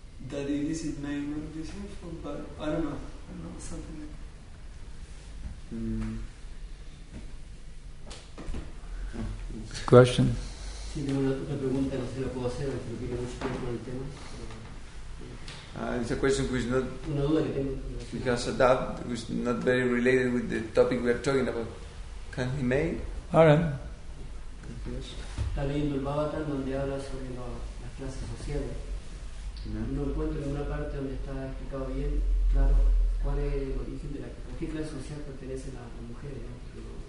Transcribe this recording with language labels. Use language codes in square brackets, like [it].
[en] That illicit may not be sinful, but I don't know something like that. Question. [es] Sí, tengo una pregunta, no sé si la puedo hacer, pero quiero mucho tiempo con el tema. [en] It's a question which is not because of that, which is not very related with the topic we are talking about. Can he make? All right. [es] Está leyendo el Bhagavatam donde habla sobre las clases sociales. No encuentro ninguna parte donde está explicado bien, claro, cuál es el origen de la qué clase social pertenece a las mujeres, ¿no?